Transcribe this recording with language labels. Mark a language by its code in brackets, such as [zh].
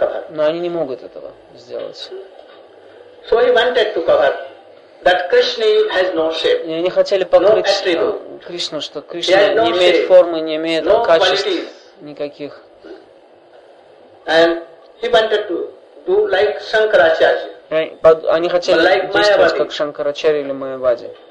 [ru] Но они не могут этого сделать. [en] So he wanted to cover that Krishna has no shape. [ru] Они хотели покрыть Кришну, что Кришна не имеет формы, не имеет качеств никаких. [en] And he wanted to do like Shankaracharya. [ru] Они хотели действовать как Шанкарачарья или Майявади.